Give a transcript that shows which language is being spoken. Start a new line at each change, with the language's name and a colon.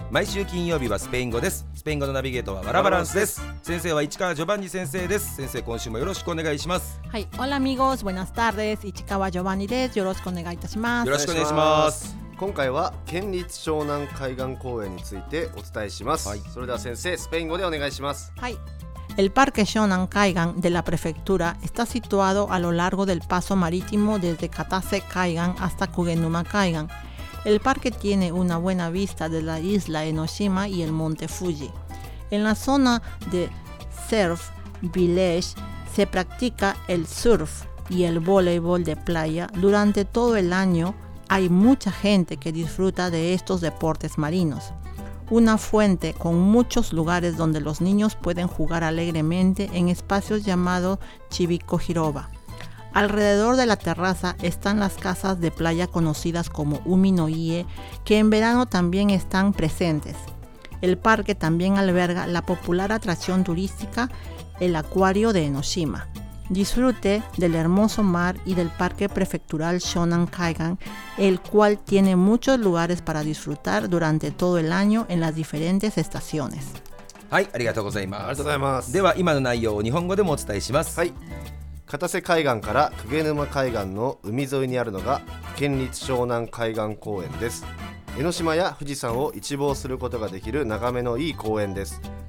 Japanese: 毎週金曜日はスペイン語です。スペイン語のナビゲートはワラバランスです。先生は市川ジョバンニ先生です。先生今週もよろしくお願いします。はい、オラミゴス、ボナスタールです。市川ジョバンニです。よろしくお願いいたします。よろしくお願いします。今回は県立湘南海岸公園についてお伝えします。はい、それでは先生スペイン語でお願いします。
Spanish: はい、El Parque Shonan Kaigan de la prefectura está situado a lo largo del paso marítimo desde Katase Kaigan hasta Kugenuma Kaigan. El parque tiene una buena vista de la isla Enoshima y el monte Fuji. En la zona de Surf Village se practica el surf y el voleibol de playa durante todo el año. Hay mucha gente que disfruta de estos deportes marinos. Una fuente con muchos lugares donde los niños pueden jugar alegremente en espacios llamado Chivico Jiroba. Alrededor de la terraza están las casas de playa conocidas como Umi no Ie, que en verano también están presentes. El parque también alberga la popular atracción turística, el Acuario de Enoshima. Disfrute del hermoso mar y del parque prefectural Shonan Kaigan, el cual tiene muchos lugares para disfrutar durante todo el año en las diferentes estaciones.
Japanese: はい、ありがとうございます。ありがとうございます。では今の内容を日本語でもお伝えします。はい。片瀬海岸から久下沼海岸の海沿いにあるのが県立湘南海岸公園です。江ノ島や富士山を一望することができる眺めのいい公園です。